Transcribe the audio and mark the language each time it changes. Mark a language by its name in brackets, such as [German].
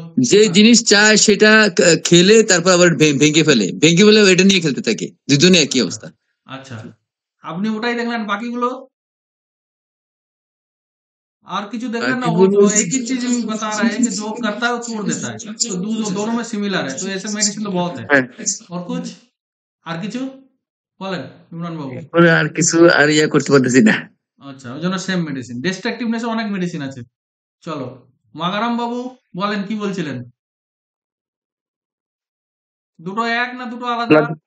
[Bangla] যে জিনিস চায় সেটা খেলে তারপর আবার ভেঙে ফেলে, ভেঙে ফেলে এটা নিয়ে খেলতে থাকে, দুজনে একই অবস্থা। আচ্ছা আপনি ওটাই দেখলেন, বাকিগুলো আর কিছু দেখলেন না? ও এক [Hindi] ही चीज में बता रहा है कि जो करता है छोड़ देता है, तो दूसरों दोनों में सिमिलर है, तो ऐसे मेडिसिन तो बहुत है। और कुछ [Bangla] আর কিছু বলেন ইমরান বাবু? বলে আর কিছু আর ইয়া করতে পারতেছি না। আচ্ছা ওজন सेम মেডিসিন, ডিস্ট্রাকটিভনেস অনেক মেডিসিন আছে। চলো মাগারাম বাবু বলেন কি বলছিলেন, দুটো এক না দুটো আলাদা?